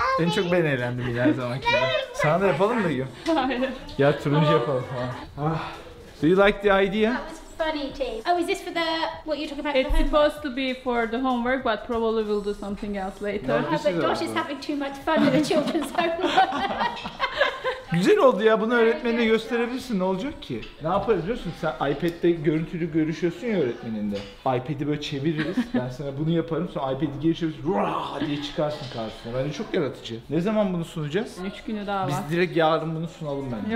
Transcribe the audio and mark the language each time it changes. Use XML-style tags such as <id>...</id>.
<tr>En çok ben eğlendim ileride zamanki. Sana da yapalım mı diyor? Hayır. Ya turuncu yapalım.</tr> <en>Ah. Do you like the idea? Oh, is this for the what you're talking about? It's supposed to be for the homework, but probably we'll do something else later. No, but Josh is having too much fun with the children's homework.</en> <tr>Güzel oldu ya, bunu öğretmenine gösterebilirsin. Ne olacak ki? Ne yaparız biliyorsun? Sen iPad'de görüntülü görüşüyorsun ya öğretmeninde. iPad'i böyle çeviririz. Ben sana bunu yaparım. Sonra iPad'i geçiririz. Ruah diye çıkarsın karşısına. Bence çok yaratıcı. Ne zaman bunu sunacağız? 3 günü daha var. Biz direkt yarın bunu sunalım bence.</tr>